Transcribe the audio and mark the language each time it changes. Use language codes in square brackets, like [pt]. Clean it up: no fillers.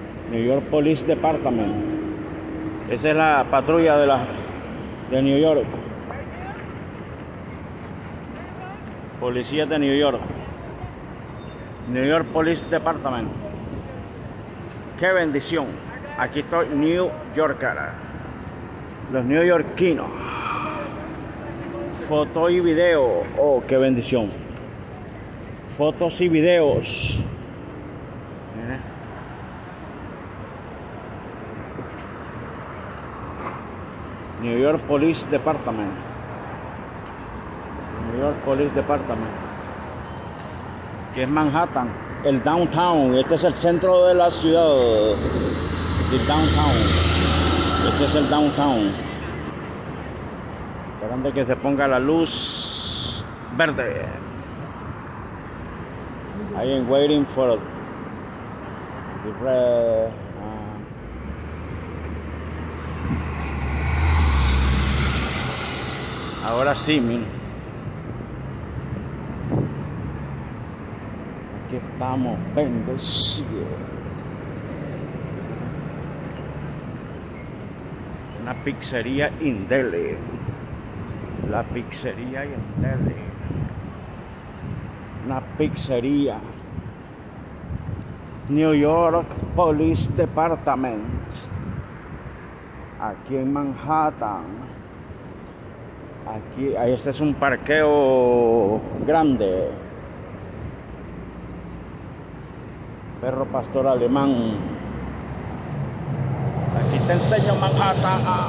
[en] New York Police Department. [es] Esa es la patrulla de New York. Policía de New York. [en] New York Police Department. [es] ¡Qué bendición! Aquí estoy, New Yorker. Los neoyorquinos. Foto y video. ¡Oh, qué bendición! Fotos y videos. [en] New York Police Department. New York Police Department. [es] Que es Manhattan. El downtown. Este es el centro de la ciudad. El downtown. Este es el downtown. Esperando que se ponga la luz verde. [en] I am waiting for the red. [es] Ahora sí, miren. Aquí estamos, bendecidos. Una pizzería Indele. La pizzería Indele. Una pizzería. [en] New York Police Department. [es] Aquí en Manhattan. Aquí, ahí este es un parqueo grande. Perro pastor alemán. Aquí te enseño Manhattan.